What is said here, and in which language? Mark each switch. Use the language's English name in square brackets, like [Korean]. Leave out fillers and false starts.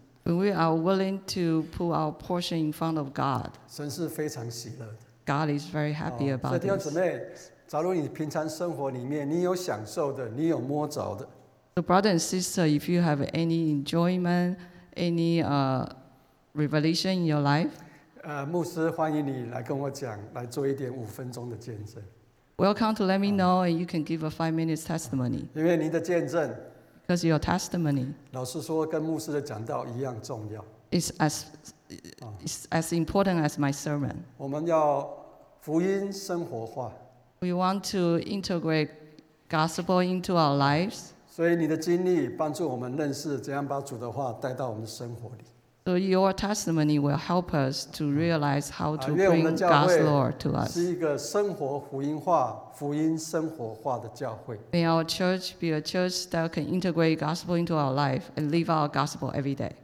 [English] When we are willing to put our portion in front of God, [Chinese] 神是非常喜乐的。 [English] God is very happy about this. [Chinese] 弟兄姊妹。假如你平常生活里面你有享受的，你有摸着的。 [English] So brother and sister, if you have any enjoyment, any revelation in your life, [Chinese] 牧师欢迎你来跟我讲，来做一点五分钟的见证。 [English] Welcome to let me know, and you can give a 5 minutes testimony. [Chinese] 因为你的见证 [English] ，because your testimony, [Chinese] 老实说，跟牧师的讲道一样重要。 [English] It's as important as my sermon. [Chinese] 我们要福音生活化。 [English] We want to integrate gospel into our lives. [Chinese] 所以你的经历帮助我们认识怎样把主的话带到我们的生活里。 [English] So your testimony will help us to realize how to bring God's Lord to us. [Chinese] 是一个生活福音化、福音生活化的教会。 [English] May our church be a church that can integrate gospel into our life and live our gospel every day.